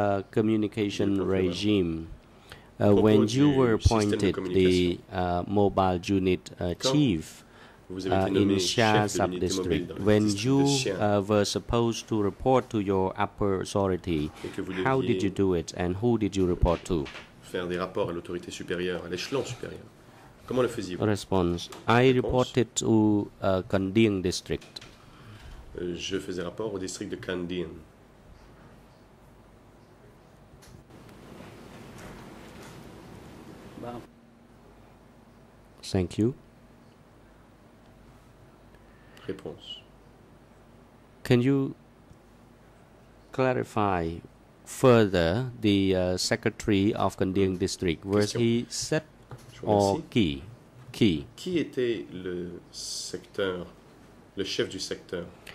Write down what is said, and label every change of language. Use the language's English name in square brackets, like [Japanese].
[English] Communication regime, When you were appointed the mobile unit chief in Xia sub-district, when you were supposed to report to your upper authority, how did you do it and who did you report to? [French] Faire des rapports à l'autorité supérieure, à l'échelon supérieur. Comment le faisiez-vous? [English] Response. I reported to Kandian district. [French] Je faisais rapport au district de Kandian. [English] Thank you. [French] Réponse. [English] Can you clarify further the secretary of Kandian district? Was he Sep or Key? [French] Qui était le secteur, le chef du secteur?